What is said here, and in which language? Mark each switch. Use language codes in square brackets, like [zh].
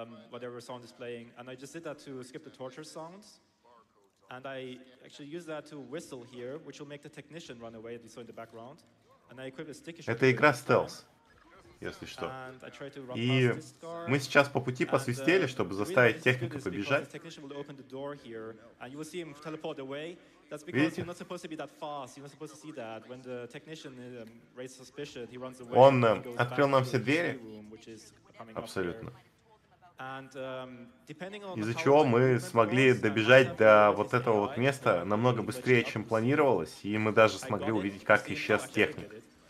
[en] Whatever sound is playing, and I just did that to skip the torture sounds, and I actually use that to whistle here, which will make the technician run away, as you saw in the background, and I equip a sticky shot. [ru] Это игра стелс, если что. И мы сейчас по пути посвистели, чтобы заставить технику побежать. [en] The technician will open the door here, and you will see him teleport away. That's because you're not supposed to be that fast. You're not supposed to see that. When the technician raises suspicion, he runs away. [ru] Он открыл нам все двери. Абсолютно. Из-за чего мы смогли добежать до вот этого вот места намного быстрее, чем планировалось, и мы даже смогли увидеть, как исчез техник.